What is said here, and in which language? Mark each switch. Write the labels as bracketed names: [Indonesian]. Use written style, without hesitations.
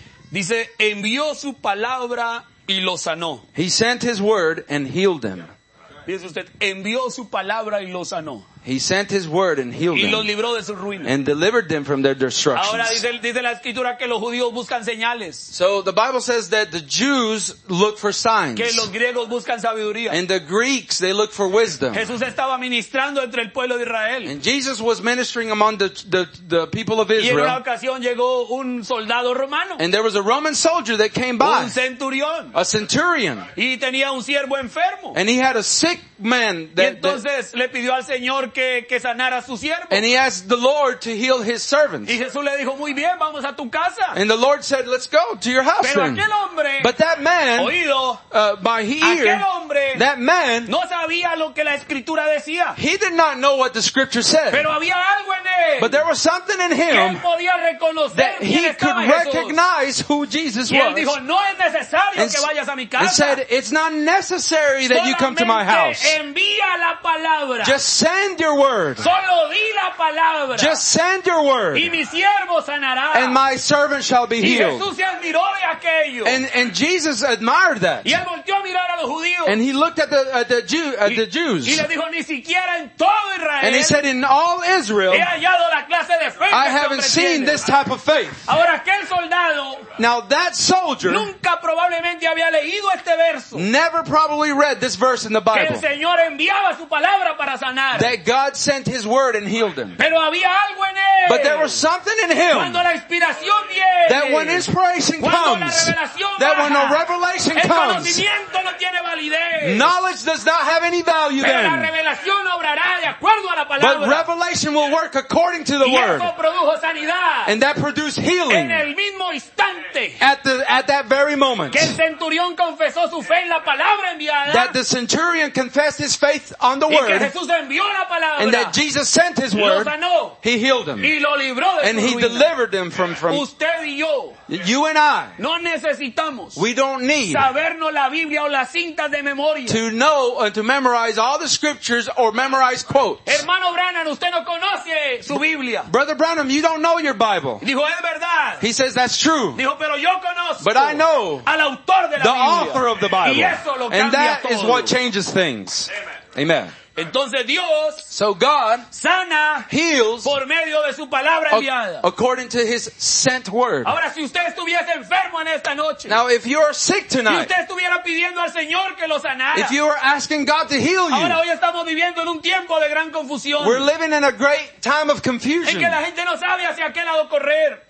[Spanish] Dice, envió su palabra y lo sanó. [English] He sent his word and healed them. [Spanish] Fíjese usted, envió su palabra y lo sanó. [English] He sent his word and healed [Spanish] y los libró de sus ruinas. [English] And delivered them from their destructions. [Spanish] Ahora dice la escritura que los judíos buscan señales. [English] So the Bible says that the Jews look for signs. [Spanish] Que los griegos buscan sabiduría. [English] And the Greeks, they look for wisdom. [Spanish] Jesús estaba ministrando entre el pueblo de Israel. [English] And Jesus was ministering among the people of Israel. [Spanish] Y en una ocasión llegó un soldado romano. [English] And there was a Roman soldier that came by. [Spanish] Un centurión. [English] A centurion. [Spanish] Y tenía un siervo enfermo. [English] And he had a sick man that, [Spanish] y entonces le pidió al Señor que sanara a su siervo. [English] And he asked the Lord to heal his servant. [Spanish] Y Jesús le dijo, muy bien, vamos a tu casa. [English] And the Lord said, let's go to your house. [Spanish] Pero aquel hombre, [English] but that man, [Spanish] oído, [English] by ear, [Spanish] aquel hombre, [English] that man, [Spanish] no sabía lo que la escritura decía. [English] He did not know what the scripture said. [Spanish] Pero había algo en él. [English] But there was something in him [Spanish] podía reconocer [English] that he could recognize [Spanish] Jesús. [English] Who Jesus [Spanish] y él [English] was. [Spanish] Dijo, no es necesario que vayas a mi casa. [English] And said, it's not necessary that [Spanish] solamente [English] you come to my house. [Spanish] Envía la palabra. [English] Just send your word. [Spanish] Solo di la palabra. [English] Just send your word. [Spanish] Y mi siervo sanará. [English] And my servant shall be healed. [Spanish] Y Jesús se admiró de aquello. [English] And Jesus admired that. [Spanish] Y él volteó a mirar a los los judíos. [English] And he looked at the Jews. [Spanish] Y le dijo, ni siquiera en todo Israel. [English] And he said, in all Israel, [Spanish] he hallado la clase de fe. [English] I haven't seen this type of faith. [Spanish] Ahora aquel soldado. [English] Now that soldier. [Spanish] Nunca probablemente había leído este verso. [English] Never probably read this verse in the Bible. [Spanish] Que el Señor enviaba su palabra para sanar. [English] That God sent his word and healed him. [Spanish] Pero había algo en él. [English] But there was something in him. [Spanish] Cuando la inspiración viene. [English] That when inspiration comes. [Spanish] Cuando la revelación viene. [English] That when a revelation comes. [Spanish] El conocimiento no tiene validez. [English] Knowledge does not have any value [Spanish] pero [English] then. [Spanish] La revelación obrará de acuerdo a la palabra. [English] But revelation will work according to the [Spanish] y [English] word. [Spanish] Eso produjo sanidad. [English] And that produced healing. [Spanish] En el mismo instante. [English] At that very moment. [Spanish] Que el centurión confesó su fe en la palabra enviada. [English] That the centurion confessed his faith on the word. [Spanish] Y que Jesús envió la palabra. [English] And that Jesus sent his word. [Spanish] Lo sanó. [English] He healed him. [Spanish] Y lo libró de [English] and he [Spanish] ruina. [English] Delivered them from [Spanish] usted y yo. [English] You and I. [Spanish] No necesitamos. [English] We don't need. [Spanish] Sabernos la Biblia o las cintas de memoria. [English] To know and to memorize all the scriptures or memorize quotes. [Spanish] Hermano Branham, usted no conoce su Biblia. [English] Brother Branham, you don't know your Bible. [Spanish] Dijo, es verdad. [English] He says that's true. [Spanish] Dijo, pero yo conozco. [English] But I know. [Spanish] Al autor de la [English] the [Spanish] Biblia. [English] Author of the Bible. [Spanish] Y eso lo cambia todo. [English] And that is what changes things. [Spanish] Amen. Entonces Dios [English] so God [Spanish] sana [English] heals [Spanish] por medio de su palabra enviada. [English] According to his sent word. [Spanish] Ahora si usted estuviese enfermo en esta noche. [English] Now if you are sick tonight. [Spanish] Si usted estuviera pidiendo al Señor que lo sanara. [English] If you are asking God to heal you. [Spanish] Ahora hoy estamos viviendo en un tiempo de gran confusión. [English] We're living in a great time of confusion. [Spanish] En que la gente no sabe hacia qué lado correr.